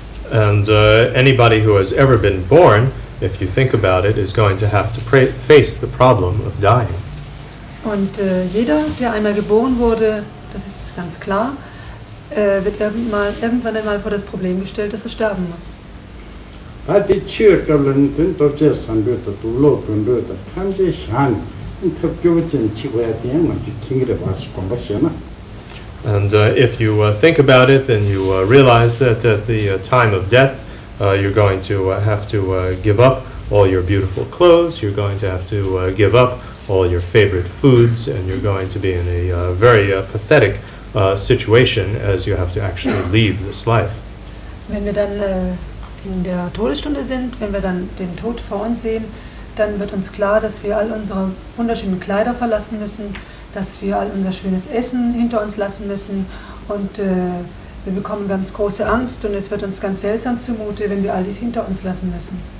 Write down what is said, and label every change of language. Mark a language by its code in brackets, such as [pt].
[en] And anybody who has ever been born, if you think about it, is going to have to face the problem of dying. [de] Und jeder, der einmal geboren wurde, das ist ganz klar, wird irgendwann einmal vor das Problem gestellt, dass sterben muss. [en] And if you think about it, then you realize that at the time of death, you're going to have to give up all your beautiful clothes, you're going to have to give up all your favorite foods, and you're going to be in a very pathetic situation as you have to actually leave this life. [de] Wenn wir dann in der Todesstunde sind, wenn wir dann den Tod vor uns sehen, dann wird uns klar, dass wir all unsere wunderschönen Kleider verlassen müssen, dass wir all unser schönes Essen hinter uns lassen müssen und wir bekommen ganz große Angst und es wird uns ganz seltsam zumute, wenn wir all dies hinter uns lassen müssen.